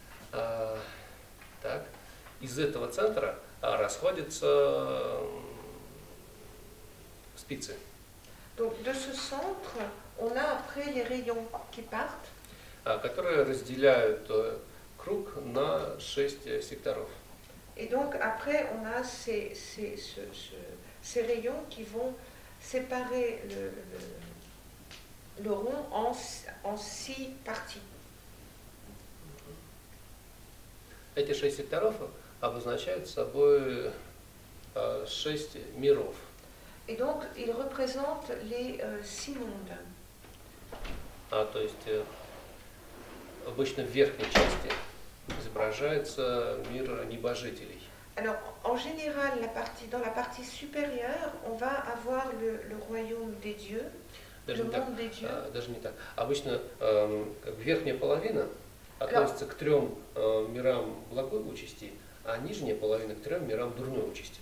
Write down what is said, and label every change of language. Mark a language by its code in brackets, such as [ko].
[ru] Так, из этого центра расходятся спицы. [fr] Donc, de ce centre, on a après les rayons qui partent. [ru] Которые разделяют круг на шесть секторов. [fr] Et donc, après, on a ces rayons qui vont séparer le rond en six parties. [ru] Эти шесть секторов обозначают собой шесть миров. [fr] Et donc, ils représentent les six mondes. [ru] То есть обычно в верхней части изображается мир небожителей. [fr] Alors, en général, dans la partie supérieure, on va avoir le royaume des dieux, [ru] даже [fr] le [ru] так, [fr] monde des dieux. [ru] Даже не так. Обычно верхняя половина относится к трем мирам благой участи, а нижняя половина к трем мирам дурной участи.